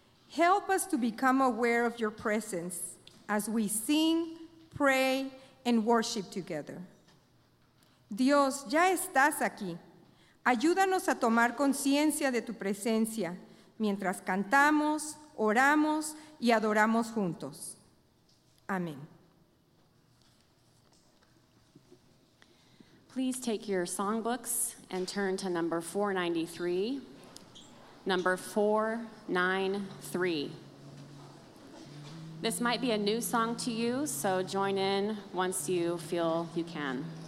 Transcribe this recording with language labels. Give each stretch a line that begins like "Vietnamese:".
English: Help us to become aware of your presence as we sing, pray, and worship together.
Spanish: Dios, ya estás aquí. Ayúdanos a tomar conciencia de tu presencia mientras cantamos, oramos y adoramos juntos. Amén.
English: Please take your songbooks and turn to number 493. Number 493. This might be a new song to you, so join in once you feel you can.